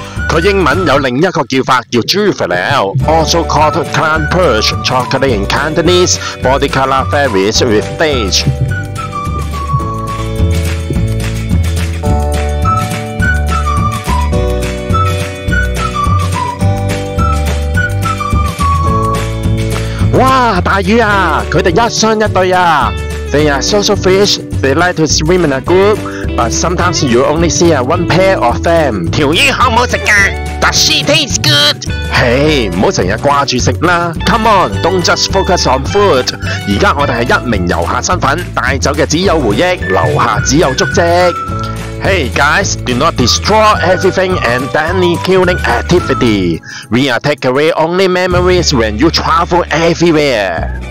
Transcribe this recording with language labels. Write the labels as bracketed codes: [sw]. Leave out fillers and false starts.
[yue] 佢英文有另一个叫法叫 [en] juvenile, also called clown perch, chocolate in Cantonese, body color varies with age. [yue] 哇，大鱼啊，佢哋一双一对啊。 [en] They are social fish, they like to swim in a group. But sometimes you only see one pair of them. [yue] 条鱼好唔好食噶 ？ [en] Does she taste good? Hey, [yue] 唔好成日挂住食啦。 [en] Come on, don't just focus on food. [yue] 而家我哋系一名游客身份，带走嘅只有回忆，留下只有足迹。 [en] Hey guys, do not destroy everything and any killing activity. We are take away only memories when you travel everywhere.